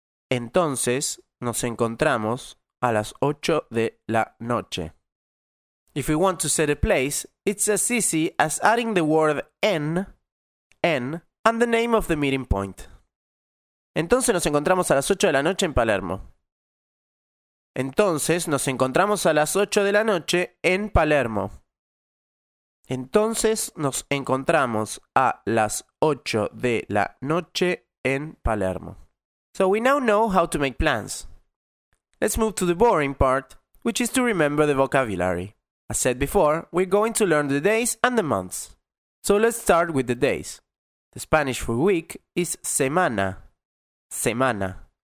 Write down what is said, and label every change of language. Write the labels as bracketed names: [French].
[Spanish] Entonces nos encontramos a las 8 de la noche. [English] If we want to set a place, it's as easy as adding the word en, and the name of the meeting point. [Spanish] Entonces nos encontramos a las 8 de la noche en Palermo. Entonces nos encontramos a las 8 de la noche en Palermo. Entonces nos encontramos a las 8 de la noche en Palermo. [English] So we now know how to make plans. Let's move to the boring part, which is to remember the vocabulary. As said before, we're going to learn the days and the months. So let's start with the days. The Spanish for week is semana, semana.